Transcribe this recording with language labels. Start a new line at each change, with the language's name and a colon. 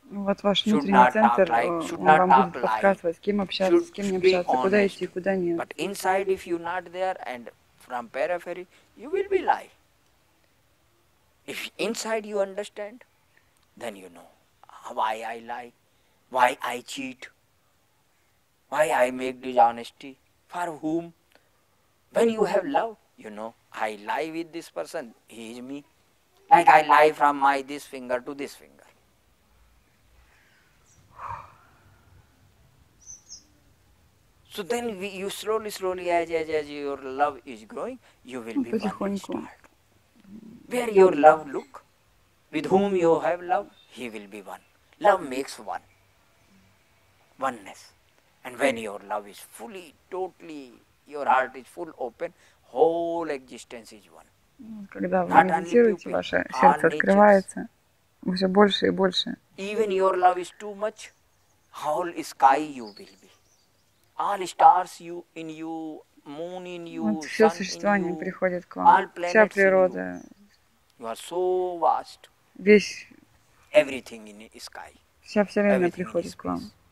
Russian: Вот ваш внутренний центр, он вам будет подсказывать, с кем общаться, с кем не общаться, куда идти, куда нет.
English: But inside, if you not there and from periphery, you will be lying. If inside you understand, then you know why I lie, why I cheat, why I make dishonesty, for whom. When you have love, you know, I lie with this person, he is me. Like I lie from my this finger to this finger. So then you slowly, slowly, as your love is growing, you will be one star. Where your love look, with whom you have love, he will be one. Love makes one. Oneness. And when your love is fully, totally, your heart is full open, whole existence is one.
Russian: Когда вы медитируете, ваше сердце открывается все больше и больше.
English: Even your love is too much, whole sky you will be. All stars you in you, moon in you, sun in you.
Russian: Все существование приходит к вам. Вся природа.
English: You are so vast.
Russian: Весь.
English: Everything in the sky.
Russian: Вся вселенная приходит к вам.